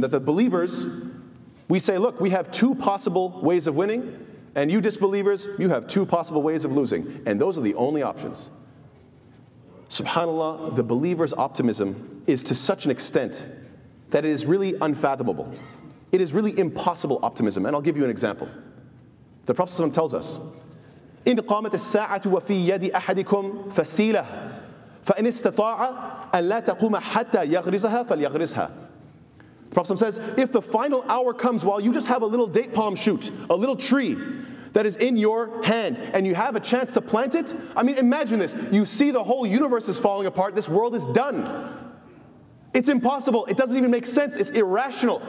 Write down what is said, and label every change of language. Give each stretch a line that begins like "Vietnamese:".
English: That the believers, we say, look, we have two possible ways of winning. And you disbelievers, you have two possible ways of losing. And those are the only options. Subhanallah, the believer's optimism is to such an extent that it is really unfathomable. It is really impossible optimism. And I'll give you an example. The Prophet ﷺ tells us,
Arabic: إِنْ قَامَتَ السَّاعَةُ وَفِي يَدِ أَحَدِكُمْ فَسِيلَهُ فَإِنْ إِسْتَطَاعَ أَنْ لَا تَقُومَ حَتَّى يَغْرِزَهَا فَلْيَغْرِزْهَا.
English: The Prophet says, if the final hour comes while you just have a little date palm shoot, a little tree that is in your hand, and you have a chance to plant it, I mean, imagine this. You see the whole universe is falling apart. This world is done. It's impossible. It doesn't even make sense. It's irrational.